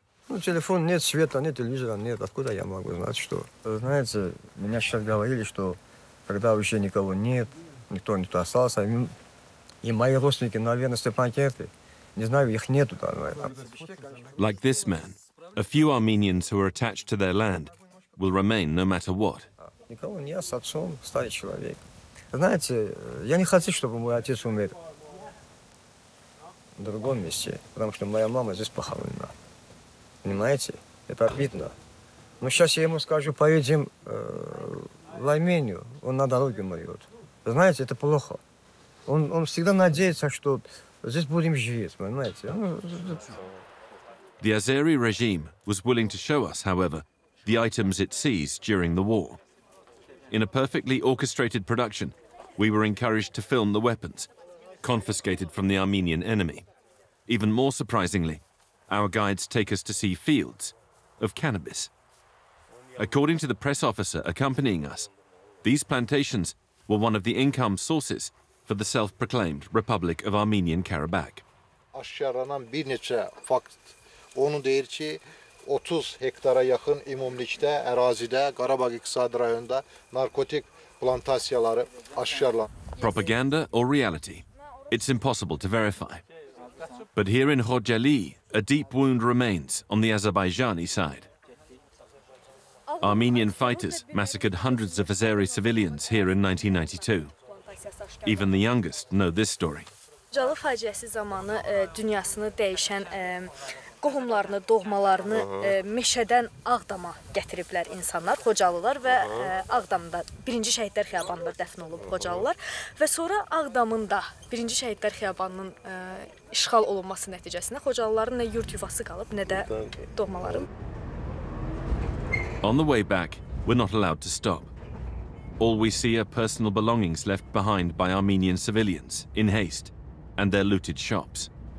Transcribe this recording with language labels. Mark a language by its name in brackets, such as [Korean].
[Russian] Ну, телефон нет, света нет, телевизора нет. Откуда я могу знать, что? Знаете, меня сейчас говорили, что когда вообще никого нет, никто не туда остался. И мои родственники, наверное, Степанакерте. Не знаю, их нету там, наверное. [English] Like this man, a few Armenians who are attached to their land will remain no matter what. [Russian] Никого нет, с отцом, старый человек. Знаете, я не хочу, чтобы мой отец умер в другом месте, потому что моя мама здесь похоронена. Понимаете? Это обидно. Но сейчас я ему скажу, поедем в Армению, он на дороге умрет. Знаете, это плохо. Он всегда надеется, что здесь будем жить, понимаете? [English] The Azeri regime was willing to show us, however, the items it seized during the war. In a perfectly orchestrated production, we were encouraged to film the weapons confiscated from the Armenian enemy. Even more surprisingly, our guides take us to see fields of cannabis. According to the press officer accompanying us, these plantations were one of the income sources for the self-proclaimed Republic of Armenian Karabakh. [Azerbaijani] Aşağıranan bir neçə fakt. Onu deyir ki, 30 hektara yaxın ümumilikdə ərazidə Qarabağ iqtisadi rayonunda narkotik plantasiyaları aşağılanıb. [English] Propaganda or reality? It's impossible to verify. But here in Xocalı, a deep wound remains on the Azerbaijani side. Armenian fighters massacred hundreds of Azeri civilians here in 1992. Even the youngest know this story. [Azerbaijani] Xocalı faciəsi zamanı dünyasını dəyişən qohumlarını, doğmalarını meşədən Ağdama gətiriblər insanlar, Xocalılar və Ağdamda birinci şəhidlər xiyabanında dəfn olub Xocalılar və sonra Ağdamın da birinci şəhidlər xiyabanının işğal olunması nəticəsində Xocalıların nə yurt yuvası qalıb, nə də doğmaları. [English] On the way back, we're not allowed to stop. All we see are personal belongings left behind by Armenian civilians in haste and their looted shops.